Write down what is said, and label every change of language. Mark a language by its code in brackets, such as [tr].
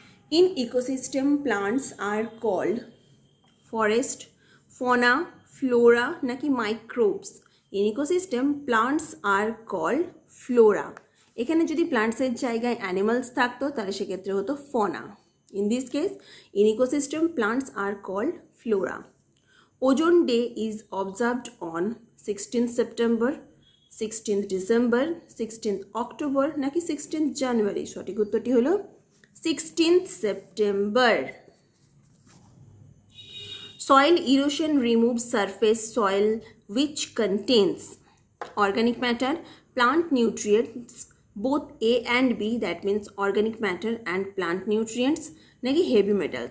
[en] In ecosystem plants are called? Forest, fauna, flora, নাকি microbes? In ecosystem plants are called flora. [bn] এখানে যদি প্লান্টসের জায়গায় animals থাকতো তাহলে সেক্ষেত্রে হতো ফনা। [en] In this case in ecosystem plants are called flora. Ozone day is observed on 16th September, 16th December, 16th October, নাকি 16th January? [bn] সঠিক উত্তরটি হলো 16th September। [en] Soil erosion remove surface soil which contains? Organic matter, plant nutrients, both A and B, that means organic matter and plant nutrients, নাকি heavy metal?